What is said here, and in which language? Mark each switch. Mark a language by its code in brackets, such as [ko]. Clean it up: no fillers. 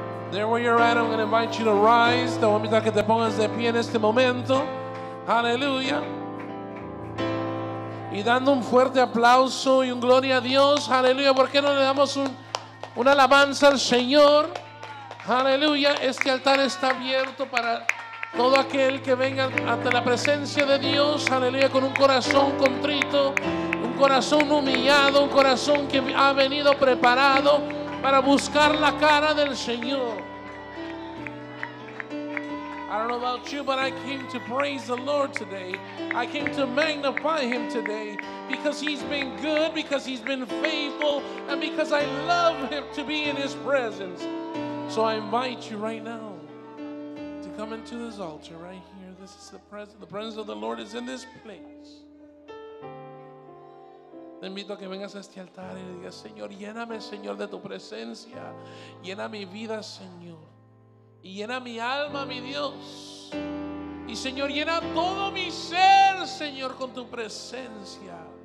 [en] There where you're at, I'm going to invite you to rise. [es] Te voy a invitar que te pongas de pie en este momento, aleluya. Y dando un fuerte aplauso y un gloria a Dios, aleluya. ¿Por qué no le damos un alabanza al Señor? Aleluya, este altar está abierto para todo aquel que venga ante la presencia de Dios, aleluya, con un corazón contrito, corazón humillado, un corazón que ha venido preparado para buscar la cara del Señor. [en] I don't know about you, but I came to praise the Lord today. I came to magnify Him today because He's been good, because He's been faithful, and because I love Him to be in His presence. So I invite you right now to come into this altar right here. This is the presence of the Lord is in this place. [es] Te invito a que vengas a este altar y le digas, Señor, lléname, Señor, de tu presencia. Llena mi vida, Señor. Y llena mi alma, mi Dios. Y Señor, llena todo mi ser, Señor, con tu presencia.